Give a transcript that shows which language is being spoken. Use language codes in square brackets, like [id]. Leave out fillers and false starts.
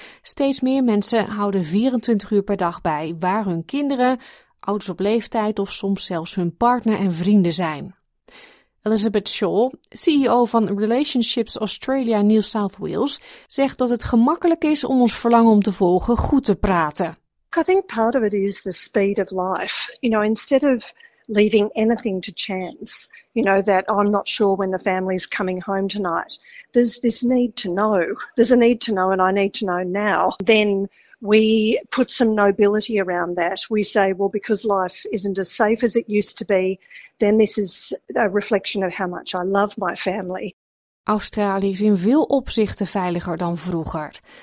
[nl] Steeds meer mensen houden 24 uur per dag bij waar hun kinderen, ouders op leeftijd of soms zelfs hun partner en vrienden zijn. Elizabeth Shaw, CEO van Relationships Australia New South Wales, zegt dat het gemakkelijk is om ons verlangen om te volgen goed te praten. [en] I think part of it is the speed of life. You know, instead of leaving anything to chance, you know, that I'm not sure when the family's coming home tonight, there's this need to know. There's a need to know and I need to know now. Then we put some nobility around that. We say, well, because life isn't as safe as it used to be, then this is a reflection of how much I love my family. [nl] Australië is in veel opzichten veiliger dan vroeger.